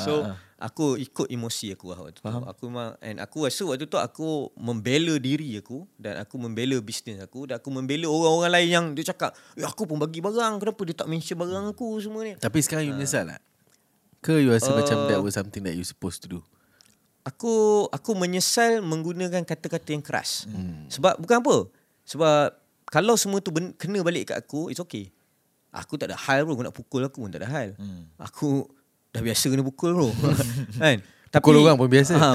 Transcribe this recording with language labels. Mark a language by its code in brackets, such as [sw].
[ms] So aku ikut emosi aku lah waktu tu. Faham? Aku memang, and aku rasa waktu tu aku membela diri aku, dan aku membela bisnes aku, dan aku membela orang-orang lain yang dia cakap, eh aku pun bagi barang, kenapa dia tak mention barang aku semua ni. Tapi sekarang you menyesal tak? Ke you rasa macam [en] that was something that you supposed to do? [ms] Aku menyesal menggunakan kata-kata yang keras. Sebab bukan apa, sebab kalau semua tu kena balik kat aku, [en] it's okay. [ms] Aku tak ada hal pun, aku nak pukul aku pun tak ada hal. Aku dah biasa kena pukul bro. Kan? Tapi, pukul orang pun biasa.